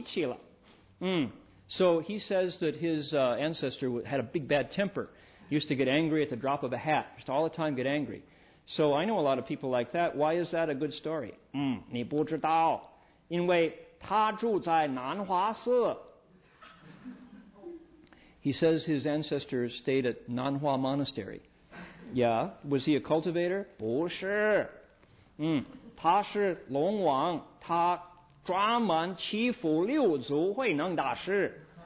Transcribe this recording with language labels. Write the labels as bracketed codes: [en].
[zh] 他是个龙王啊，可是呢，他脾气不好，脾气相当坏，哇，动不动都会发脾气了。So [en] he says that his ancestor had a big bad temper, used to get angry at the drop of a hat, just all the time get angry. So I know a lot of people like that. Why is that a good story? [zh] 你不知道，因为他住在南华寺。 [en] He says his ancestor stayed at Nanhua Monastery. Yeah. Was he a cultivator? [zh] 不是。他是龙王, 他专门欺负六族慧能大师。